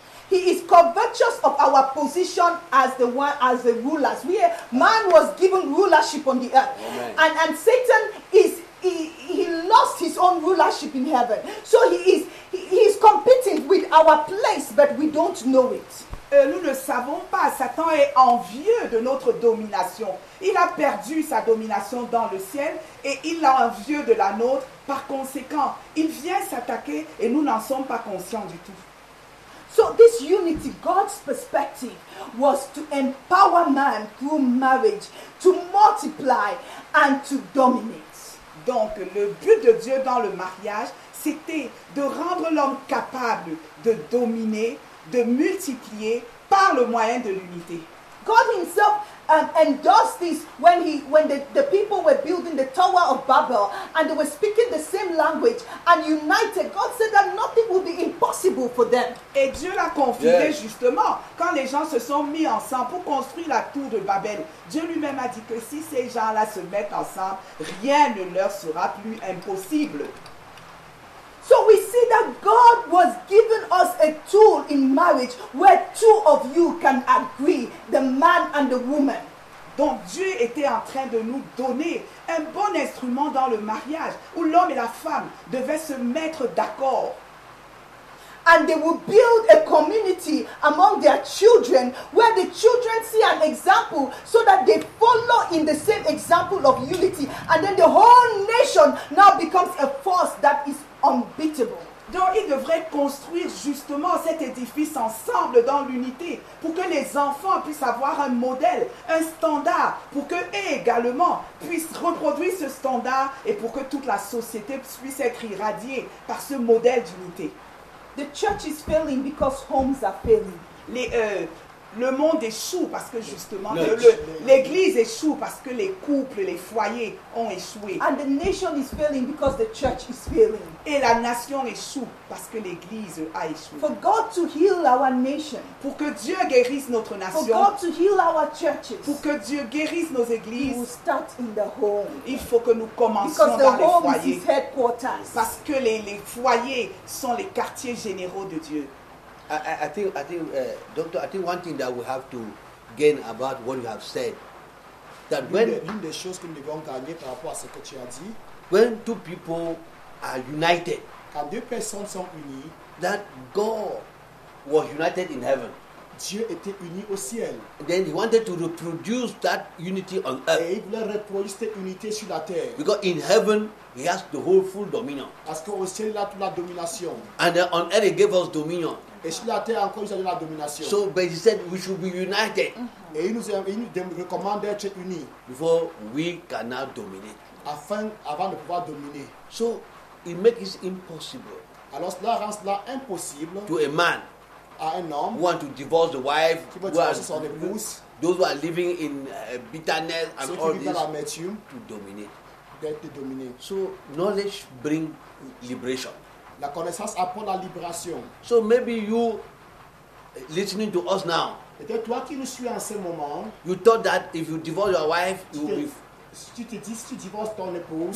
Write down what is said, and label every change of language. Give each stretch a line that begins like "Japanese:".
English: He is covetous of our position as the one, as the rulers. We, man was given rulership on the earth. Amen. And Satan is, he lost his own rulership in heaven. So he is competing with our place, but we don't know it.
French: Nous ne savons pas, Satan est envieux de notre domination. Il a perdu sa domination dans le ciel et il l'a envieux de la nôtre. Par conséquent, il vient s'attaquer et nous n'en sommes pas conscients du tout.
English: So this unity, God's perspective, was to empower man through marriage, to multiply and to dominate.
French: Donc le but de Dieu dans le mariage, c'était de rendre l'homme capable de dominer, de multiplier par le moyen de l'unité.
English: God himself endorsed this when the people were building the Tower of Babel and they were speaking the same language and united. God said that nothing would be impossible for them.
French: Et Dieu l'a confirmé justement quand les gens se sont mis ensemble pour construire la tour de Babel. Dieu lui-même a dit que si ces gens-là se mettent ensemble, rien ne leur sera plus impossible.
English: So we see that God was giving us a tool in marriage where two of you can agree, the man and the woman.
French: Donc Dieu était en train de nous donner un bon instrument dans le mariage où l'homme et la femme devaient se mettre d'accord.
English: And they would build a community among their children where the children see an example so that they follow in the same example of unity. And then the whole nation now becomes a force that is unbeatable.
French: Donc ils devraient construire justement cet édifice ensemble dans l'unité pour que les enfants puissent avoir un modèle, un standard pour que eux également puissent reproduire ce standard et pour que toute la société puisse être irradiée par ce modèle d'unité.
English: The church is failing because homes are failing.
French: Le monde échoue parce que justement l'église échoue parce que les couples, les foyers ont échoué.
English: And the nation is failing because the church is failing.
French: Et la nation échoue parce que l'église a échoué.
English: For God to heal our nation.
French: Pour que Dieu guérisse notre nation.
English: For God to heal our churches.
French: Pour que Dieu guérisse nos églises.
English: We will start in the home.
French: Il faut que nous commencions dans les foyers.
English: Because the home is his headquarters.
French: Parce que les foyers sont les quartiers généraux de Dieu.
English: I think one thing that we have to gain about what you have said, that
French: l'une des choses que nous devons gagner par rapport à ce que tu as dit,
English: when two people are united,
French: quand deux personnes sont unies,
English: that God was united in heaven,
French: Dieu était uni au ciel,
English: then he wanted to reproduce that unity on earth,
French: et il voulait reproduire cette unité sur la terre,
English: because in heaven he has the whole full dominion,
French: parce qu'au ciel il a toute la domination,
English: and on earth he gave us dominion.
French: Et sur la terre encore, il y a de la domination.
English: So, but he said we should be united.
French: Et il nous recommande d'être unis.
English: Before we cannot dominate.
French: Avant de pouvoir dominer.
English: So, it makes it impossible.
French: Alors cela rend cela impossible.
English: To a man.
French: À un homme.
English: Who want to divorce the wife.
French: Qui veut divorcer son épouse.
English: Those who are living in bitterness and all this.
French: Ceux qui vivent dans l'amertume.
English: To dominate.
French: D'être dominé.
English: So, knowledge brings liberation.
French: La connaissance apporte la libération.
English: So maybe you listening to us now.
French: Peut-être toi qui nous suis en ce moment.
English: You thought that if you divorce your wife, you will be.
French: Si tu te dis, si tu divorces ton épouse,